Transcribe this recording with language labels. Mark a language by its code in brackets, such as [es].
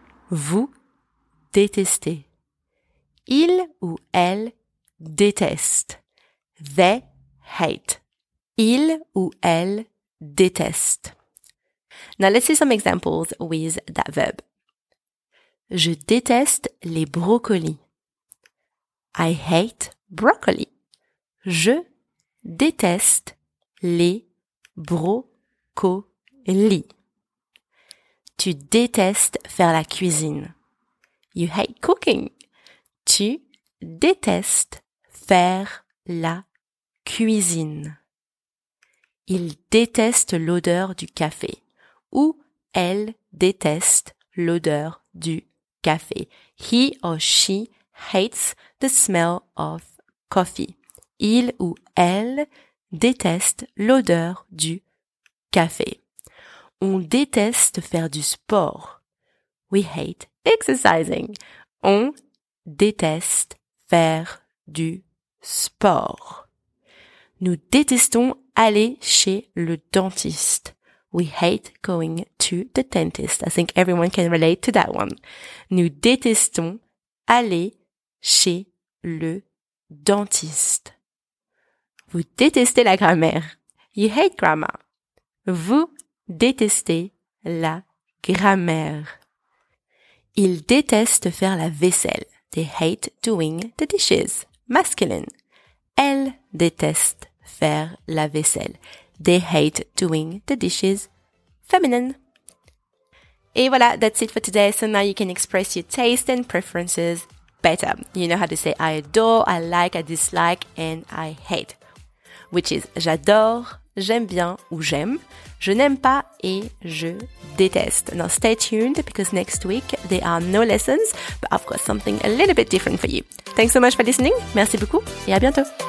[fr] Vous détestez. Il ou elle déteste. [en] They hate. [fr] Il ou elle déteste. [en] Now let's see some examples with that verb. [fr] Je déteste les brocolis. [en] I hate broccoli. [fr] Je déteste les brocolis. Tu détestes faire la cuisine. [en] You hate cooking. [fr] Tu détestes faire la cuisine. Il déteste l'odeur du café. Ou elle déteste l'odeur du café. [en] He or she hates the smell of coffee. [fr] Il ou elle déteste l'odeur du café. On déteste faire du sport. [en] We hate exercising. [fr] On déteste faire du sport. Nous détestons aller chez le dentiste. [en] We hate going to the dentist. I think everyone can relate to that one. [fr] Nous détestons aller chez le dentiste. Vous détestez la grammaire. [en] You hate grammar. [fr] Vous détester la grammaire. Ils détestent faire la vaisselle. [en] They hate doing the dishes. Masculine. [fr] Elle déteste faire la vaisselle. [en] They hate doing the dishes. Feminine. Et voilà, that's it for today. So now you can express your taste and preferences better. You know how to say I adore, I like, I dislike, and I hate. Which is [fr] j'adore, j'aime bien ou j'aime. Je n'aime pas et je déteste. [en] Now stay tuned because next week there are no lessons, but I've got something a little bit different for you. Thanks so much for listening. [fr] Merci beaucoup et à bientôt.